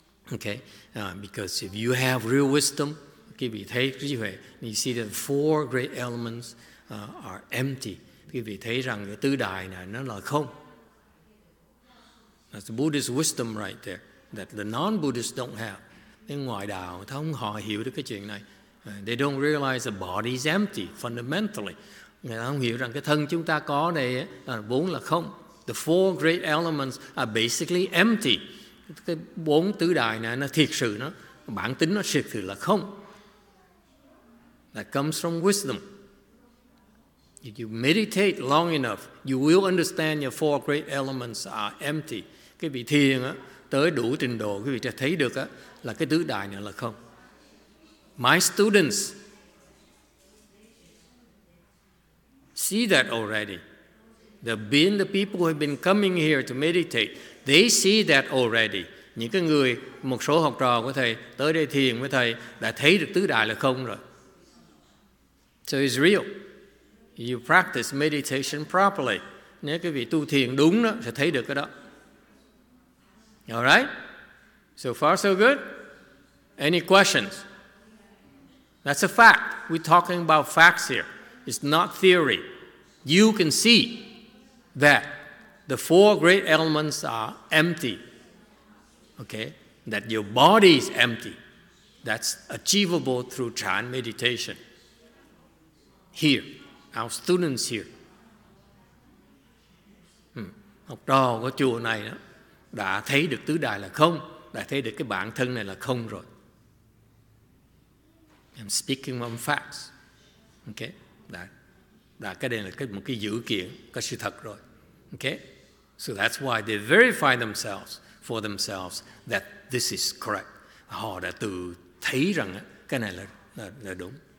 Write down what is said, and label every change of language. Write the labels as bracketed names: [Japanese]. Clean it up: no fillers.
[English] Okay, because if you have real wisdom, [Vietnamese] quý vị thấy trí huệ, [English] you see that four great elements are empty. [Vietnamese] Quý vị thấy rằng cái tứ đài này nó là không. [English] That's the Buddhist wisdom right there that the non-Buddhists don't have. [Vietnamese] Bên ngoài đạo, không họ hiểu được cái chuyện này. [English] They don't realize the body is empty fundamentally. [Vietnamese] Người ta không hiểu rằng cái thân chúng ta có đây vốn là không. [English] The four great elements are basically empty. [Vietnamese] Cái bốn tứ đại này nó thiệt sự nó bản tính nó thiệt sự là không. [English] That comes from wisdom. If you meditate long enough, you will understand your four great elements are empty. [Vietnamese] Cái vị thiền á, tới đủ trình độ, quý vị sẽ thấy được á, là cái tứ đại này là không. [English] My students see that already. The people who have been coming here to meditate, they see that already. [Vietnamese] Những cái người, một số học trò của thầy tới đây thiền với thầy đã thấy được tứ đại là không rồi. [English] So it's real. You practice meditation properly. [Vietnamese] Nếu quý vị tu thiền đúng đó, sẽ thấy được cái đó. [English] All right? So far so good? Any questions? That's a fact. We're talking about facts here. It's not theory. You can see that the four great elements are empty. Okay? That your body is empty. That's achievable through Chan meditation. Here, our students here. [Vietnamese] Học trò của chùa này đó, đã thấy được tứ đại là không, đã thấy được cái bản thân này là không rồi. [English] I'm speaking on facts. [Vietnamese] Okay? Đã cái đây là cái, một cái dữ kiện, cái sự thật rồi. [English] Okay? So that's why they verify themselves, for themselves, that this is correct. [Vietnamese] Họ đã tự thấy rằng cái này là đúng.